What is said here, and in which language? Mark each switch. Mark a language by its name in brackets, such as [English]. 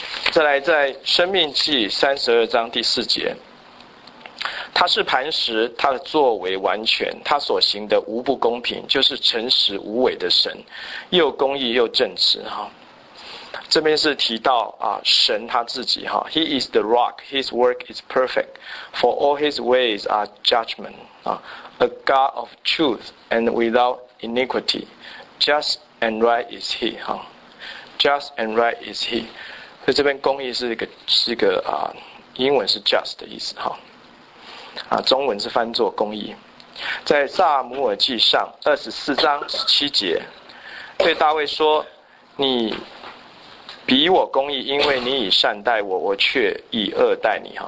[Chinese] 再来，在生命记32:4，他是磐石，他的作为完全，他所行的无不公平，就是诚实无伪的神，又公义又正直哈。这边是提到啊，神他自己哈 [English] ，He is the rock, His work is perfect, for all His ways are judgment 啊， A God of truth and without iniquity. Just and right is He. Just and right is He. [Chinese] 所以这边公义是一个英文是 just 的意思。中文是翻作公义。在撒母耳记上24:17，对大卫说，你比我公义，因为你以善待我，我却以恶待你。